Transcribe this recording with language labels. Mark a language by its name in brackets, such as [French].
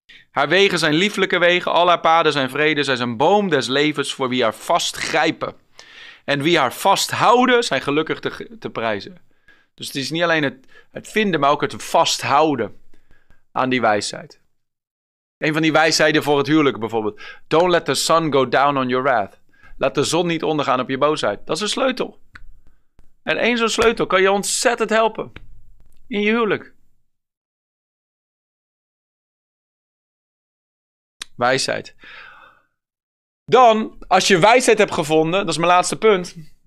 [Dutch] Haar wegen zijn lieflijke wegen, al haar paden zijn vrede. Zij is een boom des levens voor wie haar vastgrijpen. En wie haar vasthouden, zijn gelukkig te prijzen. Dus het is niet alleen het vinden, maar ook het vasthouden aan die wijsheid. Een van die wijsheden voor het huwelijk bijvoorbeeld. [English] Don't let the sun go down on your wrath. [Dutch] Laat de zon niet ondergaan op je boosheid. Dat is een sleutel. En één zo'n sleutel kan je ontzettend helpen in je huwelijk. Wijsheid. Dan, als je wijsheid hebt gevonden, dat is mijn laatste punt.